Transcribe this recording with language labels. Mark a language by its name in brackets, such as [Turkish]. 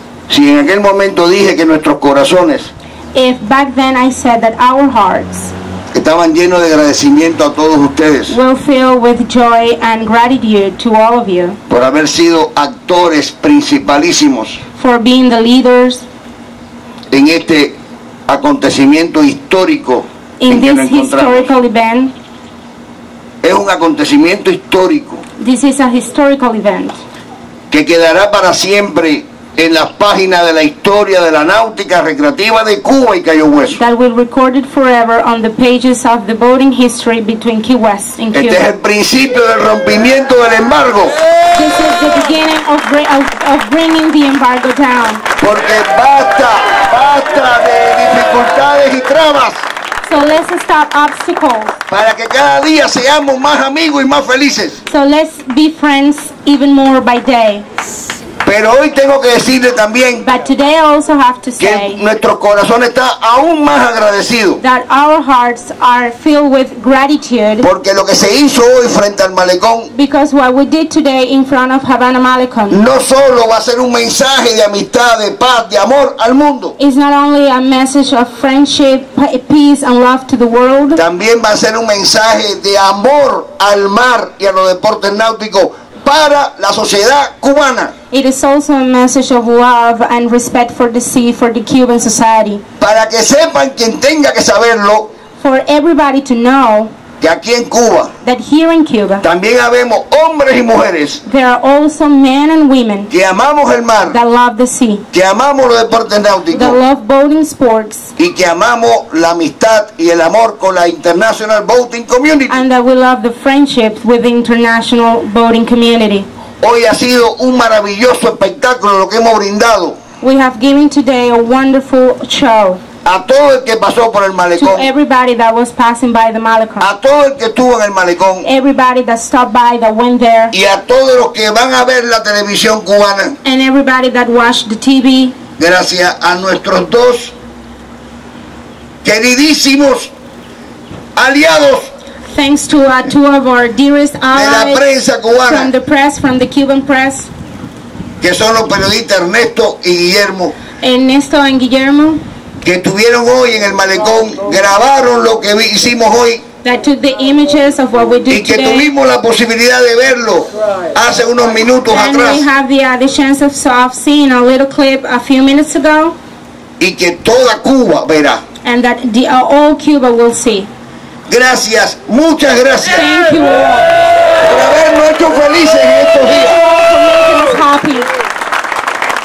[Spanish] Si en aquel momento dije que nuestros corazones. [English] If back then I said that our hearts. [Spanish] Estaban llenos de agradecimiento a todos ustedes. [English] Will fill with joy and gratitude to all of you. [Spanish] Por haber sido actores principalísimos. [English] For being the leaders [Spanish] en este acontecimiento histórico [English] in [Spanish] en [English] this historical event. [Spanish] Es un acontecimiento histórico. [English] This is a historical event [Spanish] que quedará para siempre en las páginas de la historia de la náutica recreativa de Cuba y Cayo Hueso. [English] That will be recorded forever on the pages of the boating history between Key West and Cuba. [Spanish] Este es el principio del rompimiento del embargo. [English] This is the beginning of bringing the embargo down. [Spanish] Porque basta de dificultades y trabas. [English] So let's stop obstacles. [Spanish] Para que cada día seamos más amigos y más felices. [English] So let's be friends even more by day. [Spanish] Pero hoy tengo que decirle también que nuestro corazón está aún más agradecido. [English] That our hearts are filled with gratitude. [Spanish] Porque lo que se hizo hoy frente al malecón. [English] Because what we did today in front of Havana Malecón. [Spanish] No solo va a ser un mensaje de amistad, de paz, de amor al mundo. [English] It's not only a message of friendship, peace and love to the world. [Spanish] También va a ser un mensaje de amor al mar y a los deportes náuticos. Para la sociedad cubana. [English] It is also a message of love and respect for the sea, for the Cuban society. [Spanish] Para que sepan quien tenga que saberlo. [English] For everybody to know. [Spanish] Que aquí en Cuba. [English] That here in Cuba. [Spanish] También habemos hombres y mujeres. [English] There are also men and women. [Spanish] Que amamos el mar. [English] That love the sea. [Spanish] Que amamos los deportes náuticos. [English] That love boating sports. [Spanish] Y que amamos la amistad y el amor con la International Boating Community. [English] And that we love the friendship with the International Boating Community. [Spanish] Hoy ha sido un maravilloso espectáculo lo que hemos brindado. [English] We have given today a wonderful show. [Spanish] A todo el que pasó por el malecón. [English] To everybody that was passing by the malecón. [Spanish] A todo el que estuvo en el malecón. [English] Everybody that stopped by, that went there. [Spanish] Y a todos los que van a ver la televisión cubana. [English] And everybody that watched the TV. [Spanish] Gracias a nuestros dos queridísimos aliados. [English] Thanks to two of our dearest allies. [Spanish] De la prensa cubana. [English] From the press, from the Cuban press. [Spanish] Que son los periodistas Ernesto y Guillermo. [English] Ernesto and Guillermo. [Spanish] Que estuvieron hoy en el malecón, grabaron lo que hicimos hoy. [English] That took the images of what we did [Spanish] y que [English] today. [Spanish] Tuvimos la posibilidad de verlo hace unos minutos [English] and [Spanish] atrás. [English] And we have the chance of seeing a little clip a few minutes ago. [Spanish] Y que toda Cuba verá. [English] And that the all Cuba will see. [Spanish] Gracias, muchas gracias. [English] Thank you all. [Spanish] Por habernos hecho felices en estos días. [English] For making us happy.